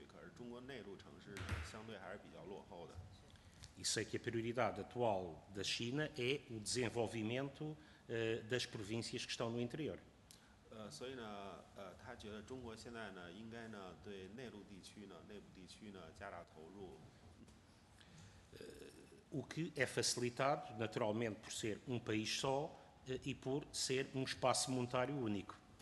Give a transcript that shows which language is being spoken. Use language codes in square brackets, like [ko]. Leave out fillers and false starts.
[zh] 比如说中国现在他认为沿海地区从广东啊福建啊一直到沈阳都是中国非常发达的地区可是中国内陆城市相对还是比较落后的 [pt] E sei que a prioridade atual da China é o desenvolvimento das províncias que estão no interior. [zh] 所以呢他觉得中国现在呢应该呢对内陆地区呢内部地区呢加大投入 [pt] O que é facilitado, naturalmente, por ser um país só e por ser um espaço monetário único.